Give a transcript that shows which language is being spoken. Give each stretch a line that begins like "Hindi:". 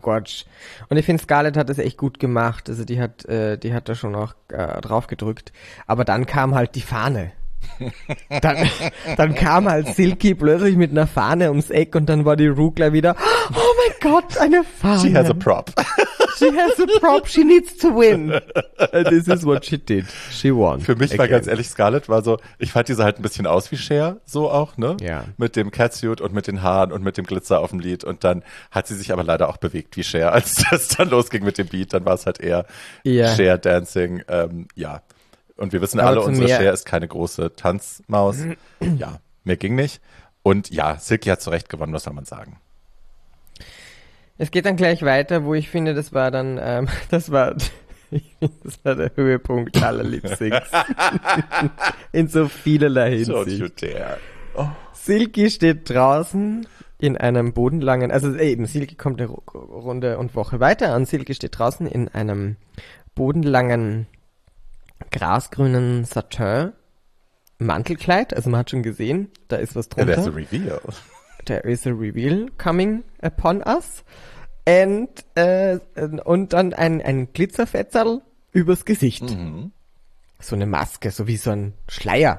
German: Gott. Und ich finde, Scarlett hat das echt gut gemacht. Also die hat da schon auch drauf gedrückt. Aber dann kam halt die Fahne. dann kam halt Silky plötzlich mit einer Fahne ums Eck und dann war die Ru gleich wieder, oh mein Gott, eine Fahne.
English: She has a prop. She has a prop, she needs to win. And this is what she did. She won.
German: Für mich war ganz ehrlich, Scarlett war so, ich fand diese halt ein bisschen aus wie Cher, so auch, ne? Ja. Mit dem Catsuit und mit den Haaren und mit dem Glitzer auf dem Lied. Und dann hat sie sich aber leider auch bewegt wie Cher, als das dann losging mit dem Beat. Dann war es halt eher Cher-Dancing. Und wir wissen alle, unsere Cher ist keine große Tanzmaus. Ja, mir ging nicht. Und ja, Silky hat zu Recht gewonnen, was soll man sagen? Es geht dann gleich weiter, wo ich finde, das war dann, das war der Höhepunkt aller Lip-Syncs. In so vielerlei Hinsicht.
English: Don't you dare.
German: Silky steht draußen in einem bodenlangen, also eben, Silky kommt eine Runde und Woche weiter und Silky steht draußen in einem bodenlangen, grasgrünen Satin-Mantelkleid. Also man hat schon gesehen, da ist was drunter.
English: There's a reveal. There is a reveal coming upon us.
German: Und dann ein Glitzerfetzerl übers Gesicht. Mhm. So eine Maske, so wie so ein Schleier.